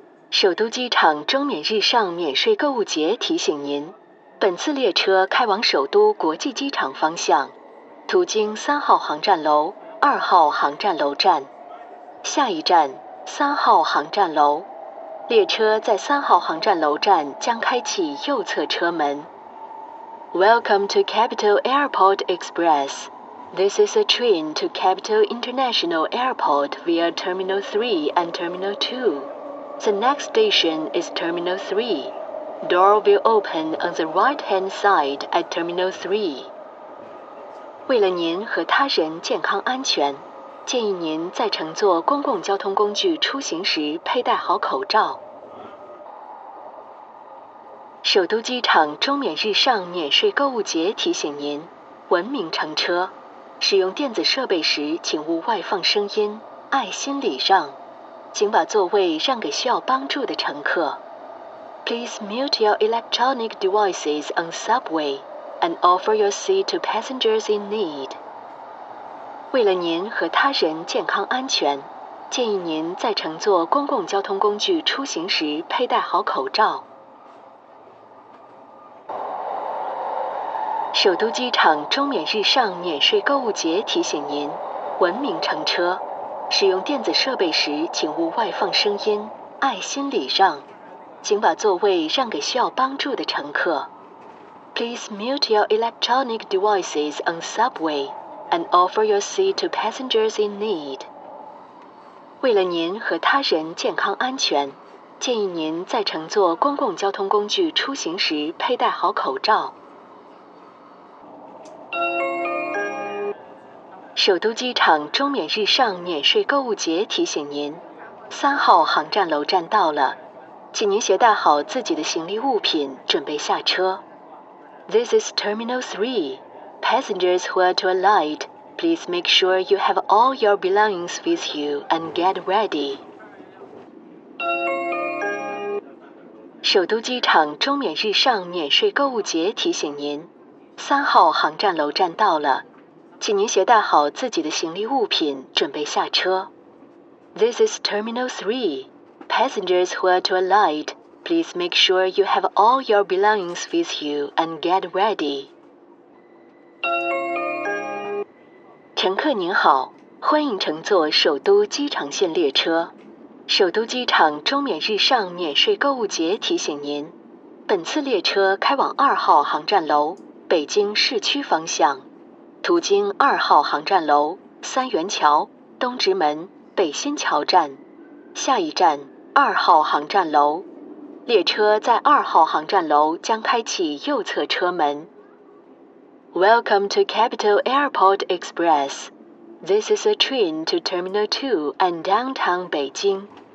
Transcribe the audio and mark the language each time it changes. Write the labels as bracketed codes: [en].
[zh] 首都机场中免日上免税购物节提醒您，本次列车开往首都国际机场方向，途经三号航站楼、二号航站楼站，下一站三号航站楼。列车在三号航站楼站将开启右侧车门。 [en] Welcome to Capital Airport Express. This is a train to Capital International Airport via Terminal 3 and Terminal 2. The next station is Terminal 3. Door will open on the right-hand side at Terminal 3. [zh] 为了您和他人健康安全，建议您在乘坐公共交通工具出行时佩戴好口罩。首都机场中免日上免税购物节提醒您，文明乘车，使用电子设备时请勿外放声音，爱心礼让，请把座位让给需要帮助的乘客。 [en] Please mute your electronic devices on subway. And offer your seat to passengers in need. [zh] 为了您和他人健康安全，建议您在乘坐公共交通工具出行时佩戴好口罩。首都机场中免日上免税购物节提醒您，文明乘车，使用电子设备时请勿外放声音，爱心礼让，请把座位让给需要帮助的乘客。 [en] Please mute your electronic devices on subway and offer your seat to passengers in need. [zh] 为了您和他人健康安全，建议您在乘坐公共交通工具出行时佩戴好口罩。首都机场中免日上免税购物节提醒您，三号航站楼站到了，请您携带好自己的行李物品准备下车。 [en] This is Terminal 3. Passengers who are to alight, please make sure you have all your belongings with you and get ready. [zh] 首都机场中免日上免税购物节提醒您，三号航站楼站到了，请您携带好自己的行李物品，准备下车。 [en] This is Terminal 3. Passengers who are to alight, please make sure you have all your belongings with you and get ready. [zh] 乘客您好，欢迎乘坐首都机场线列车。首都机场中免日上免税购物节提醒您，本次列车开往二号航站楼北京市区方向，途经二号航站楼三元桥东直门北新桥站，下一站二号航站楼。列车在二号航站楼将开启右侧车门。 [en] Welcome to Capital Airport Express. This is a train to Terminal 2 and Downtown Beijing.